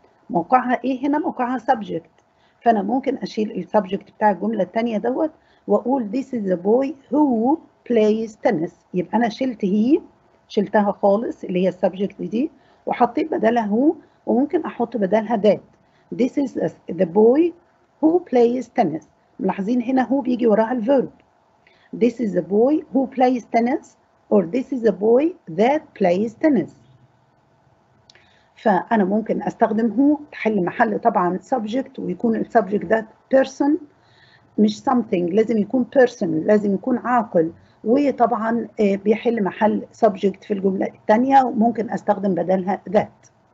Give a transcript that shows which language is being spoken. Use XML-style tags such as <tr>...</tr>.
<ar>موقعها ايه هنا؟ موقعها subject، فانا ممكن اشيل السبجكت بتاع الجملة التانية دوت واقول</ar> <en>this is a boy who plays tennis.</en> <ar>يبقى انا شلت he، شلتها خالص اللي هي السبجكت دي، وحطيت بدلها هو، وممكن احط بدلها that.</ar> <en>this is the boy who plays tennis.</en> <ar>ملاحظين هنا هو بيجي وراها الفيرب.</ar> <en>this is a boy who plays tennis or this is a boy that plays tennis.</en> <ar>فأنا ممكن أستخدمه تحل محل طبعا subject، ويكون subject that person مش something، لازم يكون person، لازم يكون عاقل، وطبعا بيحل محل subject في الجملة الثانية، وممكن أستخدم بدلها that.</ar>